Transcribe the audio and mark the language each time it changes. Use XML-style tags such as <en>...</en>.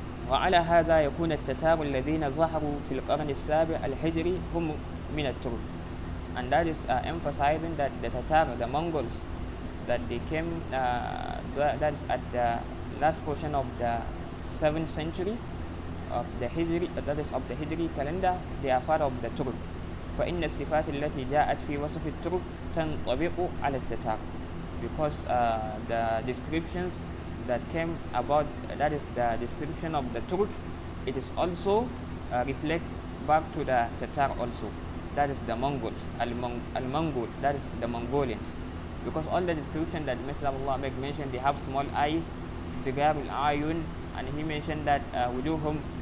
<ar>وعلى هذا يكون التتار الذين ظهروا في القرن السابع الهجري هم من الترك.</ar> <en>And that is emphasizing that the Tatar, the Mongols, that they came, that is at the last portion of the 7th century, of the Hijri, that is of the Hijri calendar, they are part of the Turuq.</en> <ar>فإن الصفات التي جاءت في وصف الطرق تنطبق على التتار.</ar> <en>Because the descriptions that came about, that is the description of the Turuq, it is also reflect back to the Tatar also. That is the Mongols, Al-Mongol, that is the Mongolians. Because all the description that Messenger of Allah make mention, they have small eyes, cigar al-ayun, and he mentioned that wujuhum.</en>